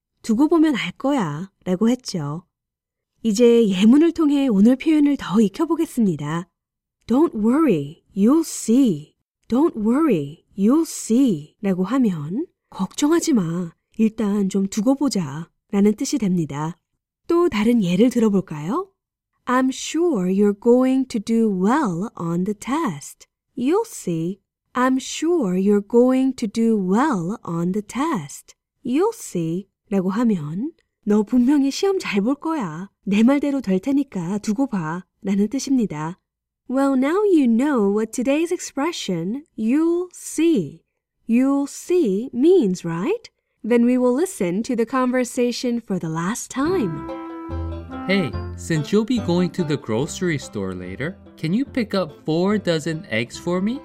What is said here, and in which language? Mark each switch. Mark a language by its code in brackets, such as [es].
[ko] 두고 보면 알 거야 라고 했죠. 이제 예문을 통해 오늘 표현을 더 익혀보겠습니다. [en] Don't worry. You'll see. Don't worry. You'll see. [ko] 라고 하면 걱정하지 마. 일단 좀 두고 보자 라는 뜻이 됩니다. 또 다른 예를 들어볼까요? [en] I'm sure you're going to do well on the test. You'll see. I'm sure you're going to do well on the test. You'll see. [ko] 라고 하면 너 분명히 시험 잘 볼 거야. 내 말대로 될 테니까 두고 봐. 라는 뜻입니다. [en] Well, now you know what today's expression you'll see. You'll see means, right? Then we will listen to the conversation for the last time. Hey, since you'll be going to the grocery store later, can you pick up 4 dozen eggs for me?